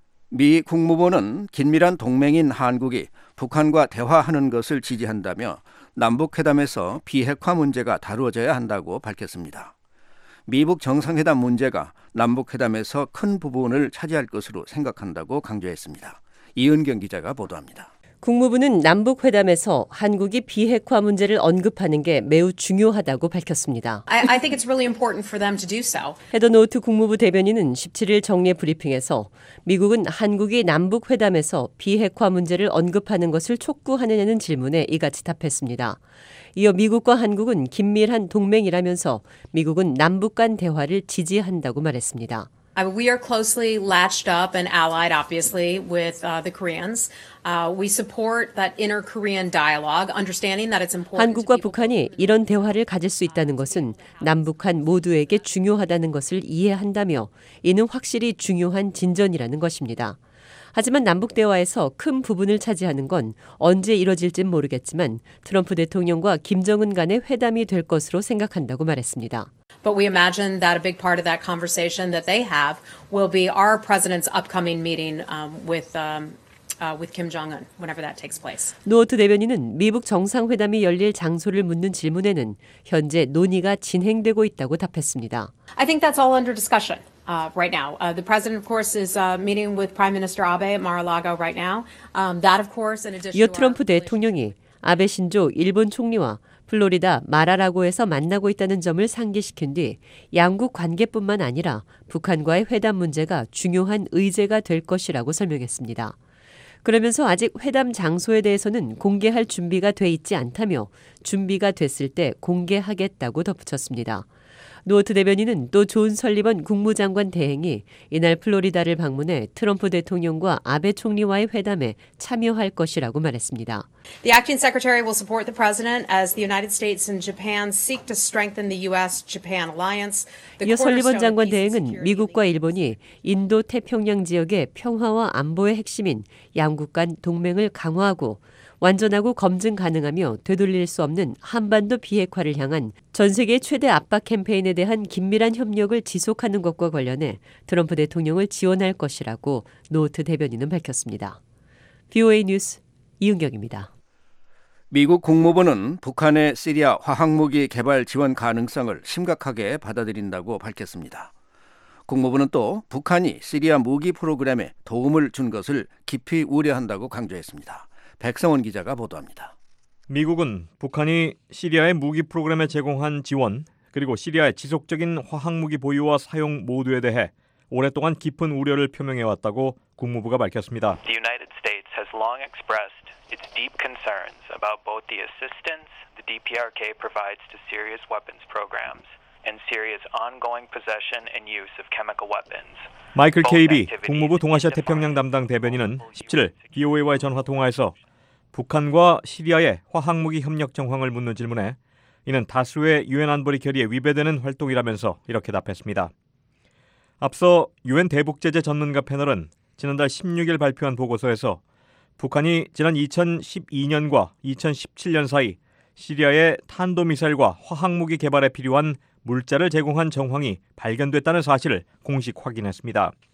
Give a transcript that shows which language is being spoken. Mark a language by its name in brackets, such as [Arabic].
[Korean] 미 국무부는 긴밀한 동맹인 한국이 북한과 대화하는 것을 지지한다며 남북회담에서 비핵화 문제가 다루어져야 한다고 밝혔습니다. 미북 정상회담 문제가 남북회담에서 큰 부분을 차지할 것으로 생각한다고 강조했습니다. 이은경 기자가 보도합니다. 국무부는 남북회담에서 한국이 비핵화 문제를 언급하는 게 매우 중요하다고 밝혔습니다. [English] I think it's really important for them to do so. [Korean] 헤더 노트 국무부 대변인은 17일 정례 브리핑에서 미국은 한국이 남북회담에서 비핵화 문제를 언급하는 것을 촉구하느냐는 질문에 이같이 답했습니다. 이어 미국과 한국은 긴밀한 동맹이라면서 미국은 남북 간 대화를 지지한다고 말했습니다. [English] We are closely latched up and allied, obviously, with the Koreans. We support that inter-Korean dialogue, understanding that it's important. [Korean] 한국과 북한이 이런 대화를 가질 수 있다는 것은 남북한 모두에게 중요하다는 것을 이해한다며 이는 확실히 중요한 진전이라는 것입니다. 하지만 남북 대화에서 큰 부분을 차지하는 건 언제 이뤄질진 모르겠지만 트럼프 대통령과 김정은 간의 회담이 될 것으로 생각한다고 말했습니다. [English] But we imagine that a big part of that conversation that they have will be our president's upcoming meeting with Kim Jong-un whenever that takes place. [Korean] 노어트 대변인은 미북 정상회담이 열릴 장소를 묻는 질문에는 현재 논의가 진행되고 있다고 답했습니다. [English] I think that's all under discussion. Right now, the president, of course, is meeting with Prime Minister Abe at Mar-a-Lago right now. That, of course, in addition. [Korean] 이어 트럼프 대통령이 아베 신조 일본 총리와 플로리다 마라라고에서 만나고 있다는 점을 상기시킨 뒤 양국 관계뿐만 아니라 북한과의 회담 문제가 중요한 의제가 될 것이라고 설명했습니다. 그러면서 아직 회담 장소에 대해서는 공개할 준비가 돼 있지 않다며 준비가 됐을 때 공개하겠다고 덧붙였습니다. 노어트 대변인은 또 존 설리번 국무장관 대행이 이날 플로리다를 방문해 트럼프 대통령과 아베 총리와의 회담에 참여할 것이라고 말했습니다. [English] The acting secretary will support the president as the United States and Japan seek to strengthen the U.S.-Japan alliance. [Korean] 이어 설리번 장관 대행은 미국과 일본이 인도 태평양 지역의 평화와 안보의 핵심인 양국 간 동맹을 강화하고 완전하고 검증 가능하며 되돌릴 수 없는 한반도 비핵화를 향한 전 세계 최대 압박 캠페인에 대한 긴밀한 협력을 지속하는 것과 관련해 트럼프 대통령을 지원할 것이라고 노트 대변인은 밝혔습니다. VOA 뉴스 이은경입니다. 미국 국무부는 북한의 시리아 화학무기 개발 지원 가능성을 심각하게 받아들인다고 밝혔습니다. 국무부는 또 북한이 시리아 무기 프로그램에 도움을 준 것을 깊이 우려한다고 강조했습니다. 백성원 기자가 보도합니다. 미국은 북한이 시리아의 무기 프로그램에 제공한 지원 그리고 시리아의 지속적인 화학무기 보유와 사용 모두에 대해 오랫동안 깊은 우려를 표명해왔다고 국무부가 밝혔습니다. [English] The United States has long expressed its deep concerns about both the assistance the DPRK provides to Syria's weapons programs and Syria's ongoing possession and use of chemical weapons. [Korean] 마이클 KB 국무부 동아시아 태평양 담당 대변인은 17일 VOA와의 전화 통화에서 북한과 시리아의 화학무기 협력 정황을 묻는 질문에 이는 다수의 유엔 안보리 결의에 위배되는 활동이라면서 이렇게 답했습니다. 앞서 유엔 대북 제재 전문가 패널은 지난달 16일 발표한 보고서에서 북한이 지난 2012년과 2017년 사이 시리아의 탄도미사일과 화학무기 개발에 필요한 물자를 제공한 정황이 발견됐다는 사실을 공식 확인했습니다.